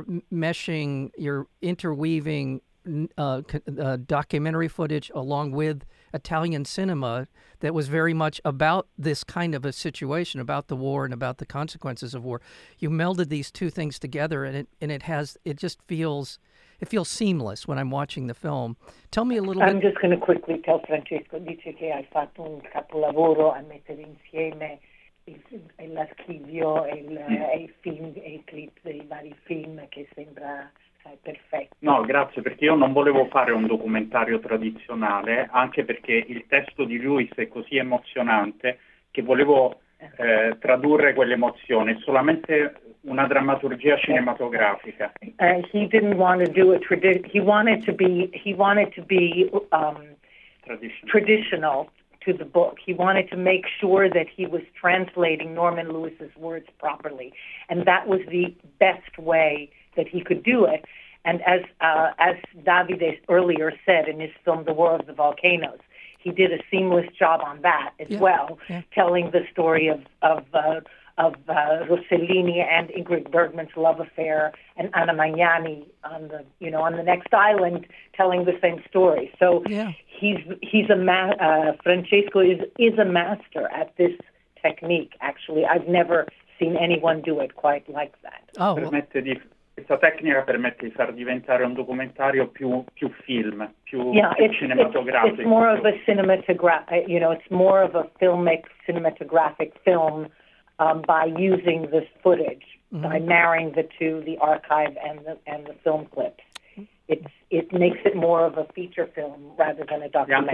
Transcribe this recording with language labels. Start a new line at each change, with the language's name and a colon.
English: You're interweaving. Documentary footage along with Italian cinema that was very much about this kind of a situation, about the war and about the consequences of war. You melded these two things together, and it feels seamless when I'm watching the film. Tell me a little bit. I'm just going to quickly tell Francesco.
Italian: Dice che hai fatto un capolavoro a mettere insieme l'archivio e il film e il clip dei vari film che sembra. Perfetto. No, grazie, perché io non volevo fare un documentario tradizionale, anche perché il testo di Luis è così emozionante che volevo tradurre quell'emozione, solamente una drammaturgia cinematografica.
English: He didn't want to do a traditional to the book. He wanted to make sure that he was translating Norman Lewis's words properly, and that was the best way that he could do it. And as Davide earlier said in his film, The War of the Volcanoes, he did a seamless job on that telling the story of Rossellini and Ingrid Bergman's love affair, and Anna Magnani on the next island, telling the same story. So Francesco is a master at this technique. Actually, I've never seen anyone do it quite like that. Oh. Well.
Italian: Questa tecnica permette di far diventare un documentario più film, più cinematografico.
English: It's more of a cinematographic, it's more of a filmic, cinematographic film by using this footage, by marrying the two, the archive and the film clips. It makes it more of a feature film rather than a documentary.